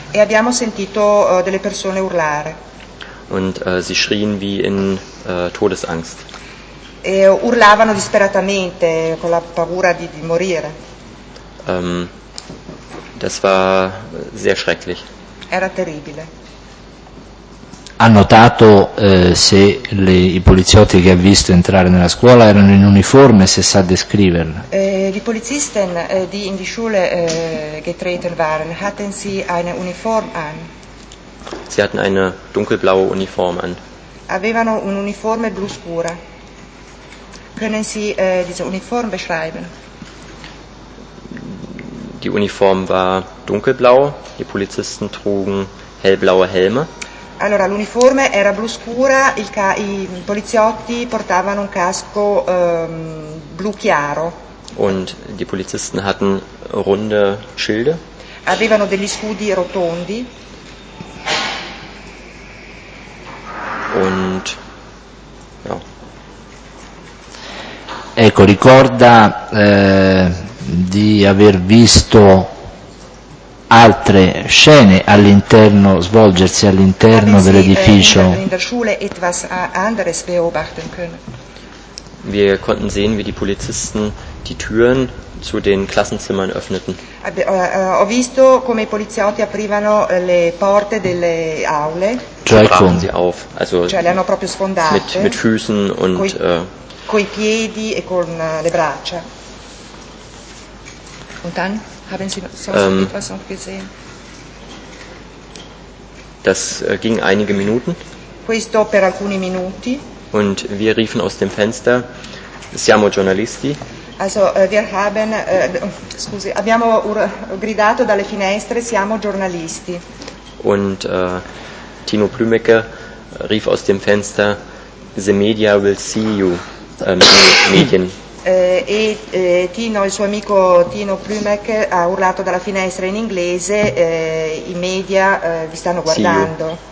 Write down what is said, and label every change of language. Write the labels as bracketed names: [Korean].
[Italian] E abbiamo sentito delle persone urlare. [German] Und sie schrien wie in Todesangst. [Italian] E urlavano disperatamente con la paura di morire. [German] Das war sehr schrecklich. [Italian] Era terribile. Ha notato se i poliziotti che ha visto entrare nella scuola erano in uniforme, se sa descriverla. [German] Die Polizisten, die in die Schule getreten waren, hatten sie eine Uniform an? Sie hatten eine dunkelblaue Uniform an. [Italian] Avevano un'uniforme blu scura. [German] Können Sie diese Uniform beschreiben? Die Uniform war dunkelblau. Die Polizisten trugen hellblaue Helme. [Italian] Allora, l'uniforme era blu scura, i poliziotti portavano un casco blu chiaro. [German] Und die Polizisten hatten runde Schilde. [Italian] Avevano degli scudi rotondi. [German] Und ja. [Italian] Ecco, ricorda di aver visto altre scene all'interno, svolgersi all'interno [German] Haben [Italian] dell'edificio. [German] In der Schule etwas anderes beobachten können. Wir konnten sehen, wie die Polizisten die Türen zu den Klassenzimmern öffneten. [Italian] Ho visto come i poliziotti aprivano le porte delle aule. [German] Cioè, brachen sie auf. Also [Italian] cioè, le hanno proprio sfondate. [German] Mit Füßen und [Italian] coi piedi e con le braccia. [German] Und dann haben Sie sonst etwas noch gesehen? Das ging einige Minuten. [Italian] Questo per alcuni minuti. [German] Und wir riefen aus dem Fenster: [Italian] Siamo giornalisti. [German] Also wir haben, [Italian] scusi, abbiamo gridato dalle finestre: Siamo giornalisti. [German] Und Tino Plümecke rief aus dem Fenster: [English] The media will see you. [German] Medien. [Italian] Tino, il suo amico Tino Plümek, ha urlato dalla finestra in inglese: i media vi stanno guardando.